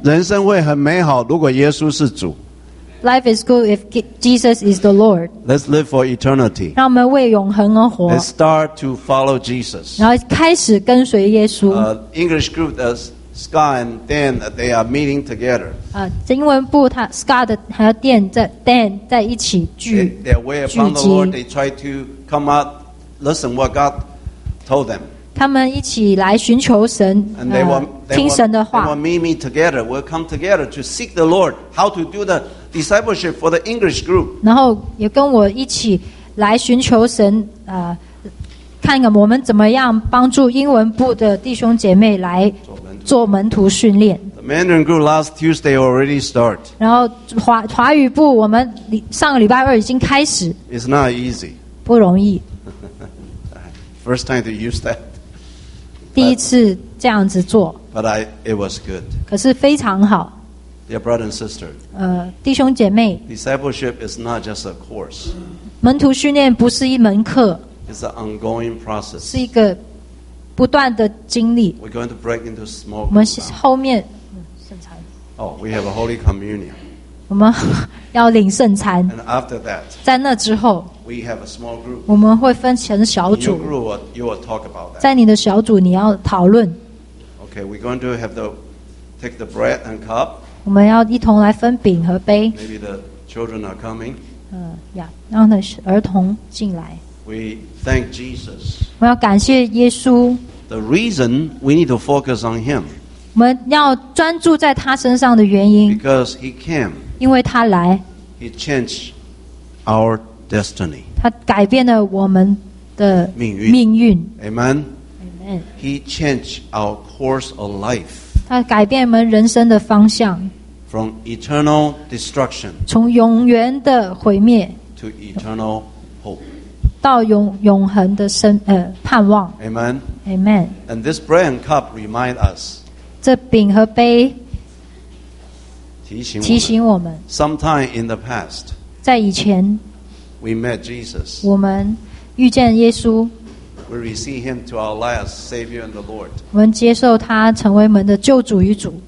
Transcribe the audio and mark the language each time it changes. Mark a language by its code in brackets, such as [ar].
[zh] 人生会很美好，如果耶稣是主。 [en] Life is good if Jesus is the Lord. Let's live for eternity. [zh] 让我们为永恒而活。 [en] Let's start to follow Jesus. [zh] 然后开始跟随耶稣。 [en] English group, Scott and Dan, they are meeting together. [zh] 英文部他 Scott 还有 Dan 在 Dan 在一起聚。 [en] They are aware upon the Lord. They try to come out, listen what God told them. [zh] 他们一起来寻求神。 [en] And they want [zh] 听神的话。 [en] They want meet me together. We'll come together to seek the Lord. How to do the Discipleship for the English group. [zh] 然后也跟我一起来寻求神，看看我们怎么样帮助英文部的弟兄姐妹来做门徒训练。 [en] The Mandarin group last Tuesday already start. [zh] 然后华语部我们上个礼拜二已经开始。 [en] It's not easy. [zh] 不容易。 [en] First time to use that. [zh] 第一次这样子做。 [en] But it was good. [zh] 可是非常好。 [en] Dear brother and sister, [zh] 弟兄姐妹 [en] Discipleship is not just a course. [zh] 门徒训练不是一门课 [en] It's an ongoing process. [zh] 是一个不断的经历 [en] We're going to break into small groups. [zh] 后面 [en] Oh, we have a holy communion. [zh] 我们要领圣餐 [en] And after that, [zh] 在那之后 [en] We have a small group. [zh] 我们会分成小组 [en] In your group, you will talk about that. [zh] 在你的小组你要讨论 [en] Okay, we're going to have to take the bread and cup. [zh] 我们要一同来分饼和杯。 [en] Maybe the children are coming. [zh] 让那儿童进来。 [en] We thank Jesus. [zh] 我们要感谢耶稣。 [en] The reason we need to focus on him. [zh] 我们要专注在他身上的原因。 [en] Because he came. [zh] 因为他来。 [en] He changed our destiny. [zh] 他改变了我们的命运。 [en] Amen. Amen. He changed our course of life. [zh] 他改变我们人生的方向 [en] From eternal destruction [zh] 从永远的毁灭 [en] To eternal hope [zh] 到永恒的盼望 [en] Amen. Amen And this bread and cup remind us [zh] 这饼和杯提醒我们 [en] Sometime in the past [zh] 在以前 [en] We met Jesus [zh] 我们遇见耶稣 [en] We receive him to our life as Savior and the Lord. [zh] 我们接受他成为我们的救主与主。